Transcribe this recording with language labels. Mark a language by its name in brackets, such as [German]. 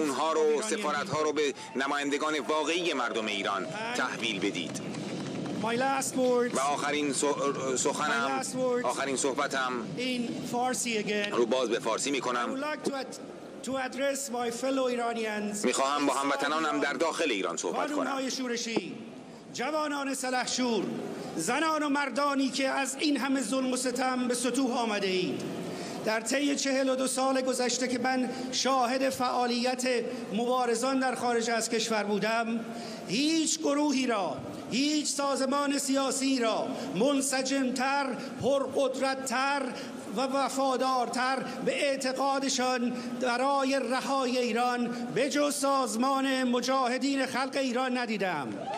[Persian] اونها رو، سفارت ها رو به نمایندگان واقعی مردم ایران تحویل بدید. [English] My last words. [Persian] و آخرین سخنم، آخرین صحبتم [English] in Farsi again. [Persian] رو باز به فارسی می کنم. [English] To address my fellow Iranians. [Persian] می خواهم با هموطنانم در داخل ایران صحبت کنم. جوانان شورشی، جوانان سلحشور، زنان و مردانی که از این همه ظلم و ستم به سطوح آمده اید. در طی 42 سال گذشته که من شاهد فعالیت مبارزان در خارج از کشور بودم، هیچ گروهی را، هیچ سازمان سیاسی را منسجمتر، پرقدرتتر و وفادارتر به اعتقادشان برای رهایی ایران به جز سازمان مجاهدین خلق ایران ندیدم.